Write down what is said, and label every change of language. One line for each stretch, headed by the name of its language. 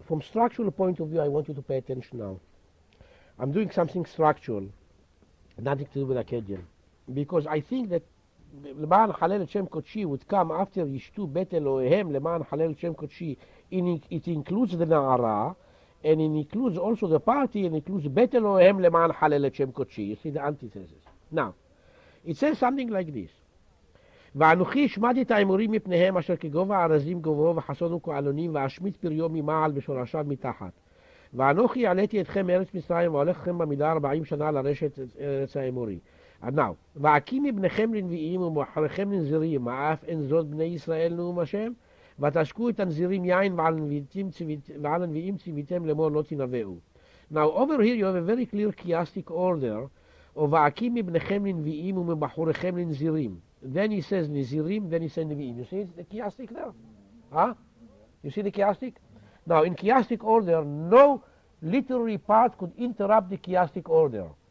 English: From structural point of view, I want you to pay attention now. I'm doing something structural, nothing to do with Akkadian, because I think that Leman Halel Shem Kodshi would come after Yishtu Beit Elohim Leman Halel Shem Kodshi. It includes the Na'ara, and it includes also the party, and it includes Beit Elohim Leman Halel Shem Kodshi. You see the antithesis. Now, it says something like this.
Hebrew: ואנוכי השמדתי את האמורים מפניהם אשר כגובה ארזים גובהו וחסונו כעלונים ואשמיט פריו ממעל ושורשיו מתחת. ואנוכי עליתי אתכם ארץ מצרים והולך אתכם במידה 40 שנה לרשת ארץ האמורי. Now, ועקים מבניכם לנביאים ומוחריכם לנזירים, אף אין זאת בני ישראל נאום השם, ותשקו את הנזירים יין ועל הנביאים ציוויתם למור לא תנבאו.
English: Now, over here you have a very clear chiastic order,
Hebrew: ועקים מבניכם לנביאים ומבחוריכם לנזירים.
English: Then he says נזירים, then he says נביאים. You see the chiastic there? Huh? You see the chiastic? Now, in chiastic order, no literary part could interrupt the chiastic order.